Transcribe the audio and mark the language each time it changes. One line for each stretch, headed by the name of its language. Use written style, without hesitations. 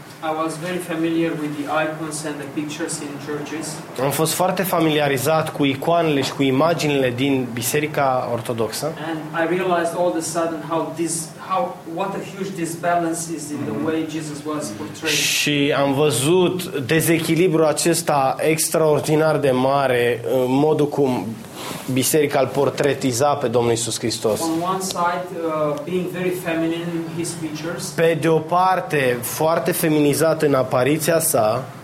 English: I was very familiar with the icons and the pictures in churches.
Romanian: Am fost foarte familiarizat cu icoanele și cu imaginile din biserica ortodoxă.
English: And I realized all of a sudden what a huge disbalance is in the way Jesus was portrayed.
Romanian: Și am văzut dezechilibrul acesta extraordinar de mare în modul cum biserica îl portretiza pe Domnul Iisus Hristos.
English: On one side, being very feminine in his features.
Romanian: Pe de o parte, foarte feminizat în apariția sa.